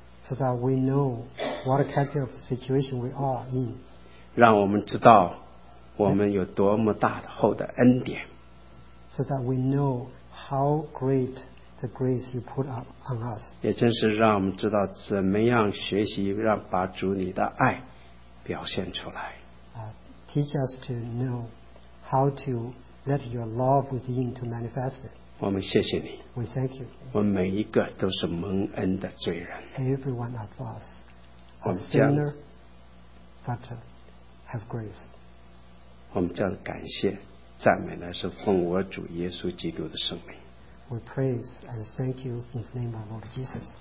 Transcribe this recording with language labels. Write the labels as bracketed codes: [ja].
[en] So that we know what kind of situation we are in. [zh] 让我们知道我们有多么大厚的恩典。 [en] so that we know how great the grace you put up on us. [zh] 也正是让我们知道怎么样学习让把主你的爱表现出来。 [en] Teach us to know how to let your love within to manifest it. [zh] 我们谢谢你。 [en] We thank you. [zh] 我们每一个都是蒙恩的罪人。 [en] Every one of us, a sinner, but have grace. [zh] 我们将感谢赞美呢是奉我主耶稣基督的圣名。 [en] We praise and thank you in the name of Lord Jesus.